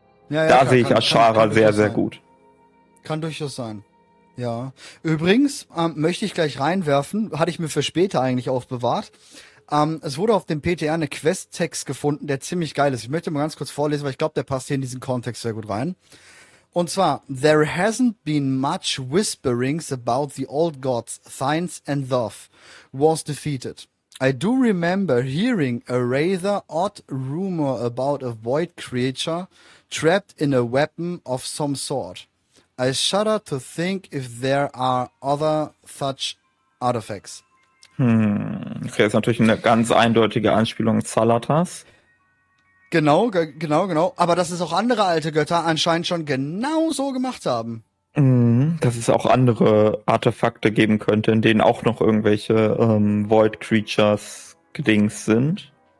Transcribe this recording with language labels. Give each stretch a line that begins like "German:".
German: Ja, da sehe ich Ashara sehr, sehr gut. Kann durchaus sein, ja. Übrigens möchte ich gleich reinwerfen, hatte ich mir für später eigentlich aufbewahrt. Es wurde auf dem PTR eine Questtext gefunden, der ziemlich geil ist. Ich möchte mal ganz kurz vorlesen, weil ich glaube, der passt hier in diesen Kontext sehr gut rein. Und zwar,
English: there hasn't been much whisperings about the old gods, Thines and Thoth, was defeated. I do remember hearing a rather odd rumor about a void creature trapped in a weapon of some sort. I shudder to think if there are other such artifacts.
German: Okay, das ist natürlich eine ganz eindeutige Anspielung Zalatas. Genau. Aber dass es auch andere alte Götter anscheinend schon genau so gemacht haben. Dass es auch andere Artefakte geben könnte, in denen auch noch irgendwelche Void Creatures Gedings sind.